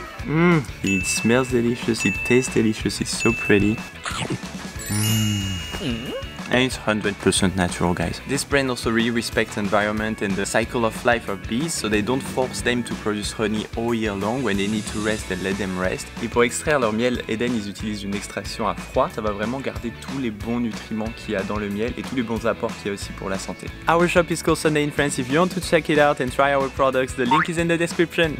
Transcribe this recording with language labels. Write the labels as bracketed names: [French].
[English] It smells delicious, it tastes delicious, it's so pretty. And it's 100% natural, guys. This brand also really respects environment and the cycle of life of bees, so they don't force them to produce honey all year long. When they need to rest, they let them rest. [French] Et pour extraire leur miel, Eden, ils utilisent une extraction à froid. Ça va vraiment garder tous les bons nutriments qu'il y a dans le miel et tous les bons apports qu'il y a aussi pour la santé. [English] Our shop is called Sunday in France. If you want to check it out and try our products, the link is in the description.